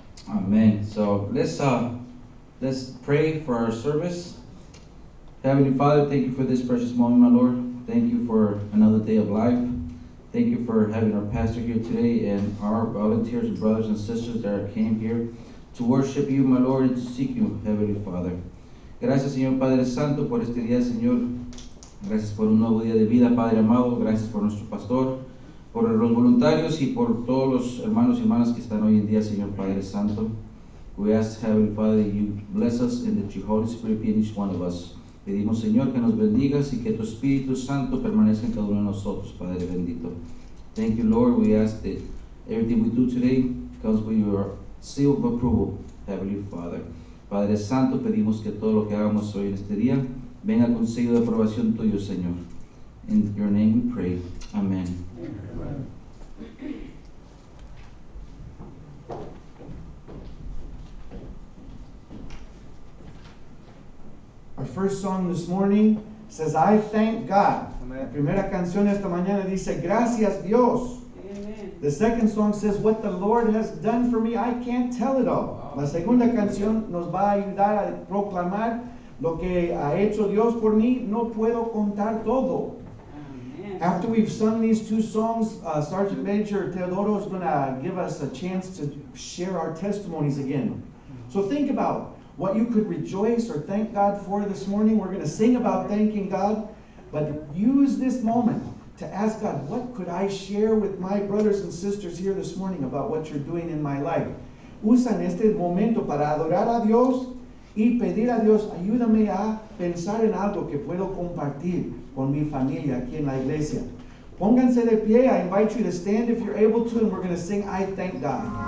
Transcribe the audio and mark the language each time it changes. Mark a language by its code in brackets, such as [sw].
[en] Amen. So let's pray for our service. Heavenly Father, thank you for this precious moment, my Lord. Thank you for another day of life. Thank you for having our pastor here today and our volunteers, brothers and sisters that came here to worship you, my Lord, and to seek you, Heavenly Father. [es] Gracias, Señor Padre Santo, por este día, Señor. Gracias por un nuevo día de vida, Padre amado. Gracias por nuestro pastor, por los voluntarios y por todos los hermanos y hermanas que están hoy en día, Señor Padre Santo. [en] We ask, Heavenly Father, that you bless us and that your Holy Spirit be in each one of us. [es] Pedimos, Señor, que nos bendigas y que tu Espíritu Santo permanezca en cada uno de nosotros, Padre bendito. [en] Thank you, Lord. We ask that everything we do today comes with your seal of approval, Heavenly Father. [es] Padre Santo, pedimos que todo lo que hagamos hoy en este día venga con sello de aprobación tuyo, Señor. [en] In your name we pray. Amen. Our first song this morning says, I thank God. [es] La primera canción esta mañana dice, gracias Dios. [en] The second song says, what the Lord has done for me, I can't tell it all. [es] La segunda canción nos va a ayudar a proclamar lo que ha hecho Dios por mí, no puedo contar todo. [en] After we've sung these two songs, Sergeant Major Teodoro is going to give us a chance to share our testimonies again. So think about what you could rejoice or thank God for this morning. We're going to sing about thanking God, but use this moment to ask God, what could I share with my brothers and sisters here this morning about what you're doing in my life? [es] Usan este momento para adorar a Dios y pedir a Dios, ayúdame a pensar en algo que puedo compartir con mi familia aquí en la iglesia. Pónganse de pie. [en] I invite you to stand if you're able to, and we're going to sing, I Thank God.